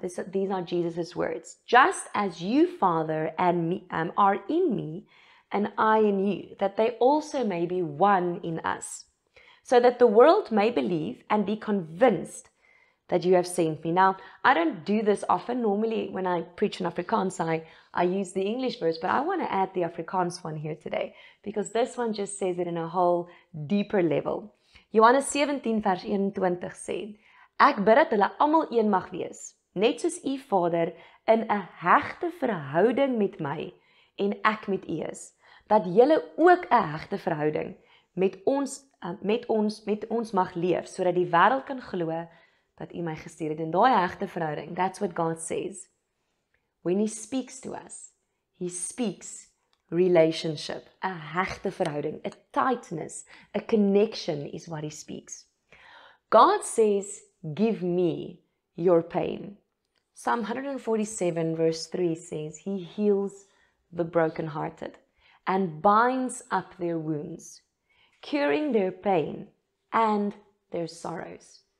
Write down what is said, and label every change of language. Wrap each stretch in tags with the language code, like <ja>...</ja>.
<en>These are Jesus' words. Just as you, Father, and me are in me, and I in you, that they also may be one in us. So that the world may believe and be convinced that you have sent me. Now, I don't do this often. Normally, when I preach in Afrikaans, I use the English verse, but I want to add the Afrikaans one here today, because this one just says it in a whole deeper level.</en> <af>Johannes 17 vers 21 sê, Ek bid dat hulle almal een mag wees, net soos u Vader, in 'n hegte verhouding met my, en ek met u is, dat julle ook 'n hegte verhouding met ons mag leef, sodat die wêreld kan glo dat u my gestuur het. En daai hegte verhouding,</af> <en>that's what God says. When he speaks to us, he speaks relationship, a</en> <af>hechte verhouding,</af> <en>a tightness, a connection is what he speaks. God says, give me your pain. Psalm 147 verse 3 says, he heals the brokenhearted and binds up their wounds, curing their pain and their sorrows.</en>